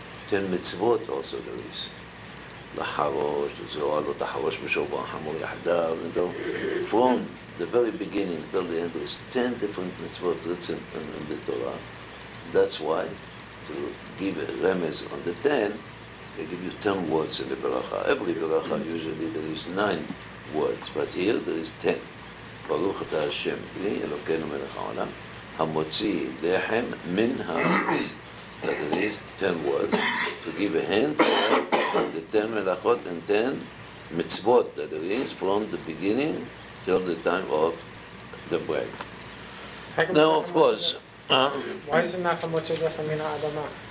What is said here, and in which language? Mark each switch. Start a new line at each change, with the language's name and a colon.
English: 10 mitzvot also there is.
Hebrew: לחרוש, לזרוע, לא תחרוש בשובו, חמור יחדיו,
English: and so, from the very beginning till the end, there's 10 different mitzvot written in the Torah. That's why, to give a remez on the 10, they give you 10 words in the beracha. Every beracha, usually, there is 9 words, but here, there is 10.
Hebrew: ברוך אתה השם, בלי אלוקנו מלך העולם, המוציא לחם מן הארץ.
English: That there is 10 words to give a hint on the 10 melachot and 10 mitzvot that there is from the beginning till the time of the bread. Now, of course, why is it not hamotzi lechem min ha'adamah?